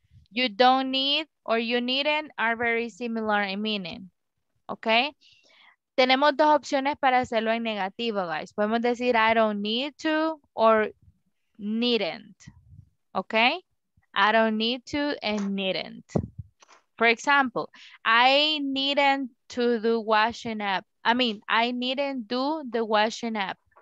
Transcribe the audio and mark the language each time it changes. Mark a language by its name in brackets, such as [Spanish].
[English] You don't need or you needn't are very similar in meaning. ¿Ok? [Spanish] Tenemos dos opciones para hacerlo en negativo, guys. Podemos decir [English] I don't need to or needn't. [Spanish] ¿Ok? [English] I don't need to and needn't. For example, I needn't to do washing up. I mean, I needn't do the washing up.